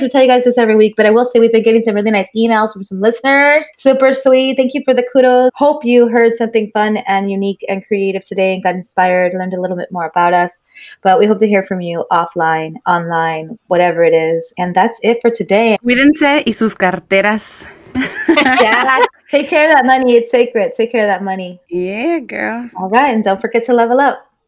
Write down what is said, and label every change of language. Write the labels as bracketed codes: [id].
[en] We tell you guys this every week. But I will say we've been getting some really nice emails from some listeners. Super sweet. Thank you for the kudos. Hope you heard something fun and unique and creative today and got inspired, learned a little bit more about us. But we hope to hear from you offline, online, whatever it is. And that's it for today. [es] Cuídense y sus carteras. [en] Yeah, take care of that money. It's sacred. Take care of that money. Yeah, girls. All right. And don't forget to level up.